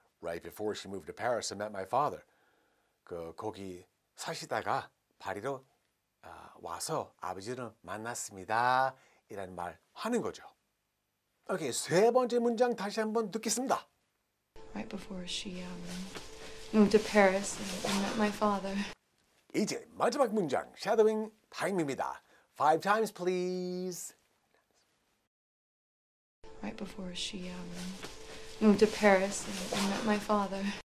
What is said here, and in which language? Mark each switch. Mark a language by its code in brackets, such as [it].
[en] Right before she moved to Paris and met my father. [ko] 거기 사시다가 파리로 와서 아버지를 만났습니다. 이라는 말 하는 거죠. 오케이, 세 번째 문장 다시 한번 듣겠습니다. [en] Right before she moved to Paris and met my father. [ko] 이제 마지막 문장, shadowing 타임입니다. [en] Five times, please. Right before she moved to Paris and met my father.